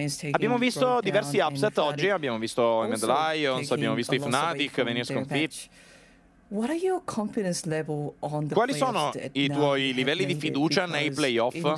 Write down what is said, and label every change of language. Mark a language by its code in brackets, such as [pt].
[it] Abbiamo visto diversi upset oggi, abbiamo visto i Mad Lions, abbiamo visto i Fnatic venire sconfitti. [en] What are your confidence level on the [it] Quali sono i tuoi livelli di fiducia nei playoff?